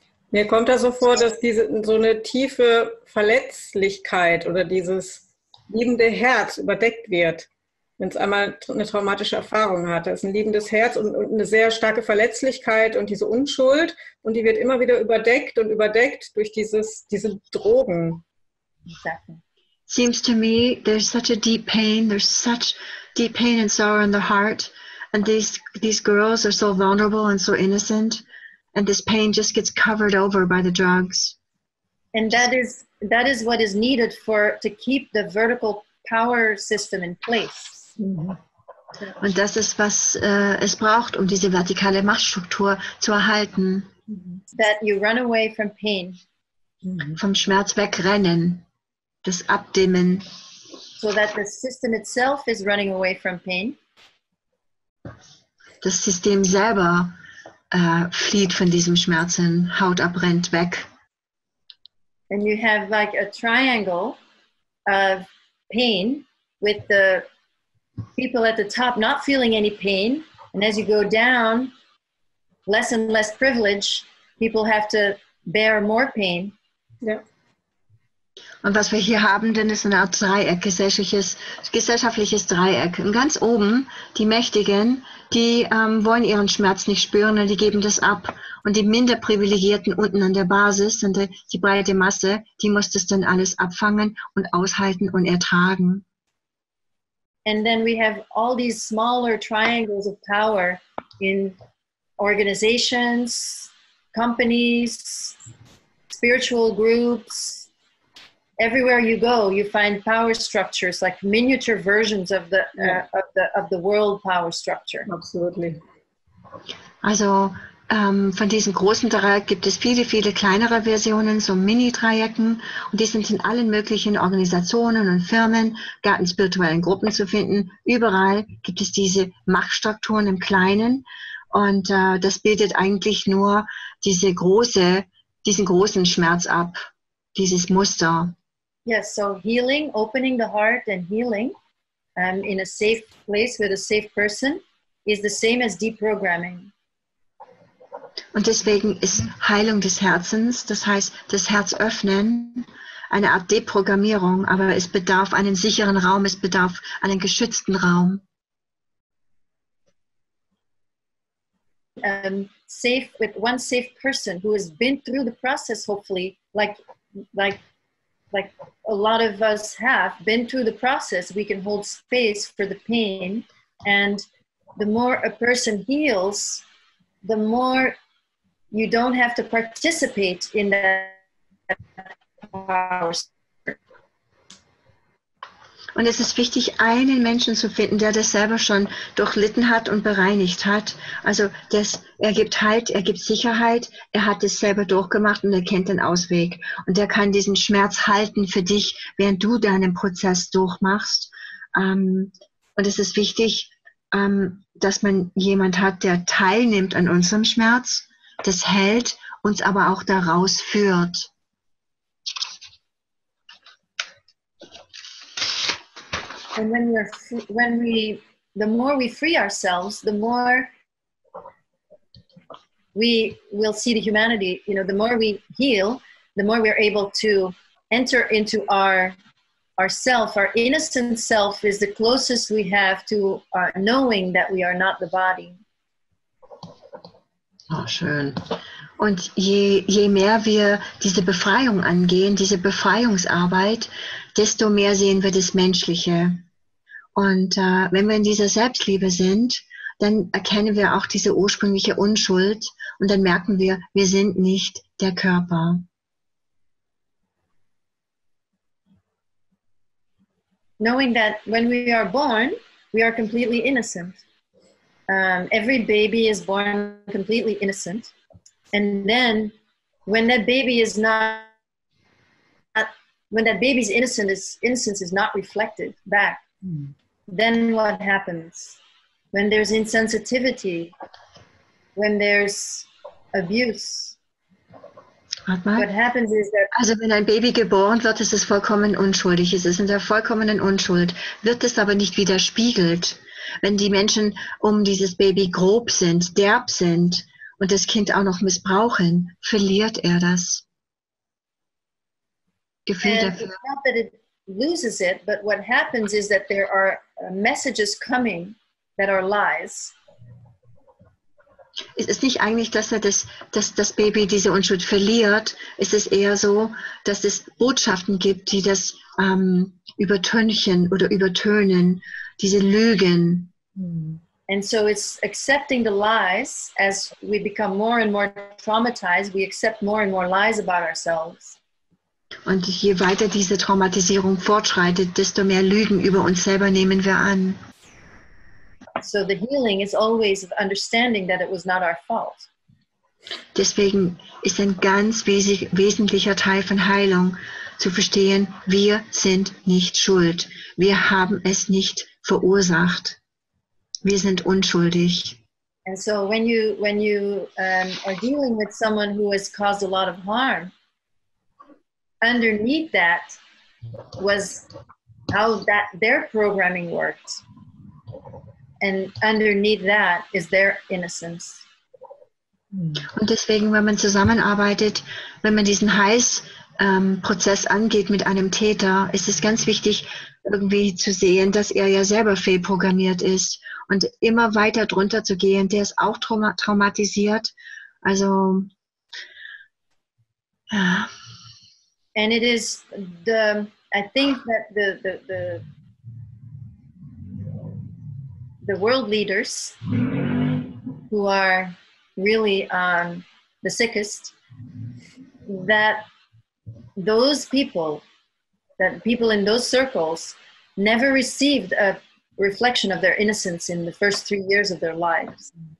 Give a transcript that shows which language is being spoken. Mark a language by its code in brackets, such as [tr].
[de] Mir kommt da so vor, dass diese so eine tiefe Verletzlichkeit oder dieses liebende Herz überdeckt wird, wenn es einmal eine traumatische Erfahrung hat. Das ist ein liebendes Herz und eine sehr starke Verletzlichkeit und diese Unschuld. Und die wird immer wieder überdeckt und überdeckt durch diese Drogen. [en] Seems to me, there's such a deep pain, there's such deep pain and sorrow in the heart. And these girls are so vulnerable and so innocent. And this pain just gets covered over by the drugs. And that is what is needed for to keep the vertical power system in place. Mm-hmm. [de] Und das ist, was es braucht, um diese vertikale Machtstruktur zu erhalten. [en] That you run away from pain. [de] Vom Schmerz wegrennen. Das Abdimmen. [en] So that the system itself is running away from pain. [de] Das System selber flieht von diesem Schmerzen, Haut abrennt, weg. [en] And you have like a triangle of pain with the people at the top not feeling any pain. And as you go down, less and less privilege, people have to bear more pain. Yeah. [de] Und was wir hier haben, dann ist eine Art Dreieck, gesellschaftliches Dreieck. Und ganz oben, die Mächtigen, die wollen ihren Schmerz nicht spüren und die geben das ab. Und die Minderprivilegierten unten an der Basis, sind die breite Masse, die muss das dann alles abfangen und aushalten und ertragen. [en] And then we have all these smaller triangles of power in organizations, companies, spiritual groups. Everywhere you go, you find power structures, like miniature versions of the of the world power structure. Absolutely. [de] Also von diesem großen Dreieck gibt es viele, viele kleinere Versionen, so Mini-Dreiecken, und die sind in allen möglichen Organisationen und Firmen, ganz spirituellen Gruppen zu finden. Überall gibt es diese Machtstrukturen im Kleinen, und das bildet eigentlich nur diesen großen Schmerz ab, dieses Muster. [en] Yes, so healing, opening the heart and healing in a safe place with a safe person is the same as deprogramming. [de] Und deswegen ist Heilung des Herzens, das heißt das Herz öffnen, eine Art Deprogrammierung, aber es bedarf einen sicheren Raum, es bedarf einen geschützten Raum. [en] Safe with one safe person who has been through the process, hopefully, like a lot of us have been through the process, we can hold space for the pain. And the more a person heals, the more you don't have to participate in that power. [de] Und es ist wichtig, einen Menschen zu finden, der das selber schon durchlitten hat und bereinigt hat. Also das, er gibt Halt, er gibt Sicherheit, er hat es selber durchgemacht und er kennt den Ausweg. Und er kann diesen Schmerz halten für dich, während du deinen Prozess durchmachst. Und es ist wichtig, dass man jemand hat, der teilnimmt an unserem Schmerz, das hält, uns aber auch daraus führt. [en] And when we're the more we free ourselves, the more we will see the humanity. You know, the more we heal, the more we're able to enter into our self. Our innocent self is the closest we have to knowing that we are not the body. [de] Oh, schön. Und je mehr wir diese Befreiung angehen, diese Befreiungsarbeit, desto mehr sehen wir das Menschliche. Und wenn wir in dieser Selbstliebe sind, dann erkennen wir auch diese ursprüngliche Unschuld und dann merken wir, wir sind nicht der Körper. [en] Knowing that when we are born, we are completely innocent. Every baby is born completely innocent. And then when that baby is not, when that baby's innocence is not reflected back, then what happens? When there's insensitivity, when there's abuse, what happens is that... [de] Also wenn ein Baby geboren wird, ist es vollkommen unschuldig. Es ist in der vollkommenen Unschuld. Wird es aber nicht widerspiegelt, wenn die Menschen um dieses Baby grob sind, derb sind und das Kind auch noch missbrauchen, verliert er das Gefühl [en] and [de] dafür. [en] It's not that it loses it, but what happens is that there are messages coming that are lies. [de] Es ist nicht eigentlich, dass er das Baby diese Unschuld verliert. Es ist eher so, dass es Botschaften gibt, die das übertönchen oder übertönen, diese Lügen. [en] And so it's accepting the lies as we become more and more traumatized, we accept more and more lies about ourselves. [de] Und je weiter diese Traumatisierung fortschreitet, desto mehr Lügen über uns selber nehmen wir an. [en] So the healing is always of understanding that it was not our fault. [de] Deswegen ist ein ganz wesentlicher Teil von Heilung zu verstehen, wir sind nicht schuld. Wir haben es nicht verursacht. Wir sind unschuldig. [en] And so when you are dealing with someone who has caused a lot of harm, underneath that was how that their programming worked. And underneath that is their innocence. [de] Und deswegen, wenn man zusammenarbeitet, wenn man diesen Heilsprozess angeht mit einem Täter, ist es ganz wichtig, irgendwie zu sehen, dass er ja selber fehlprogrammiert ist. Und immer weiter drunter zu gehen, der ist auch traumatisiert. Also, ja. [en] And it is the, I think that the world leaders who are really the sickest, that those people, that people in those circles never received a reflection of their innocence in the first 3 years of their lives.